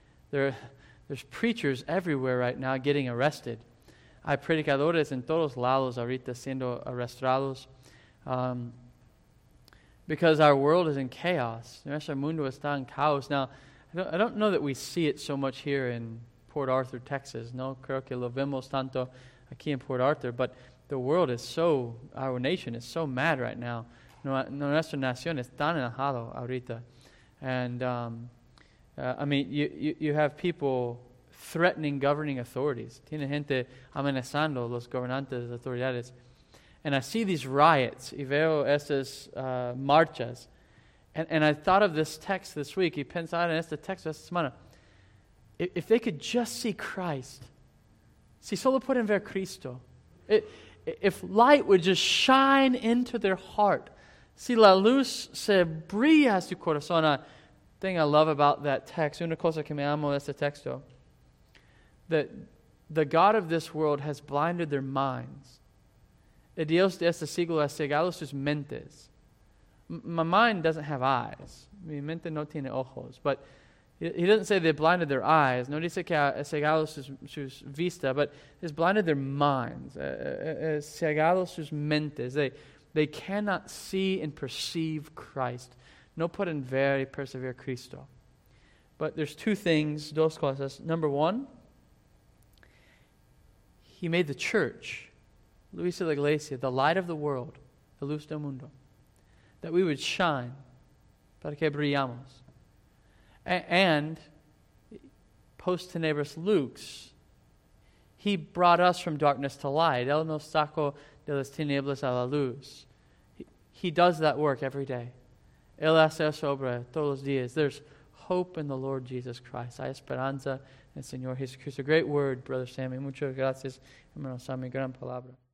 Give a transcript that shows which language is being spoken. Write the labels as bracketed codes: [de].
[en] There's preachers everywhere right now getting arrested. [es] Hay predicadores en todos lados ahorita siendo arrestados. [en] Because our world is in chaos. [es] Nuestro mundo está en caos. [en] Now, I don't know that we see it so much here in Port Arthur, Texas. [es] No creo que lo vemos tanto aquí [en] in Port Arthur, but the world is so, our nation is so mad right now. [es] Nuestra nación es tan enojado ahorita. [en] And, you have people threatening governing authorities. [es] Tiene gente amenazando los gobernantes, autoridades. [en] And I see these riots, [es] y veo estas marchas. [en] And I thought of this text this week, [es] y pensaba en este texto esta semana. [en] If they could just see Christ, [es] si solo pueden ver Cristo, [en] If light would just shine into their heart, [es] si la luz se brilla su corazón, [en] a thing I love about that text, [es] una cosa que me amo de este texto, [en] that the God of this world has blinded their minds. [es] El Dios de este siglo ha cegado sus mentes. [en] My mind doesn't have eyes. [es] Mi mente no tiene ojos. [en] But he doesn't say they blinded their eyes. [es] No dice que ha cegado sus vista, [en] but has blinded their minds. [es] Cegado sus mentes. [en] They cannot see and perceive Christ. [es] No pueden ver y percibir Cristo. [en] But there's two things, [es] dos cosas. [en] Number one, he made the church, [es] Luis de la Iglesia, [en] the light of the world, the [es] luz del mundo, [en] that we would shine, [es] para que brillamos. [en] And [la] post tenebris lux, [en] he brought us from darkness to light. [es] Él nos sacó de las tinieblas a la luz. [en] He does that work every day. [es] Él hace esa obra todos los días. [en] There's hope in the Lord Jesus Christ. [es] Hay esperanza en el Señor Jesucristo. [en] A great word, Brother Sammy. [es] Muchas gracias, hermano Sammy. Gran palabra.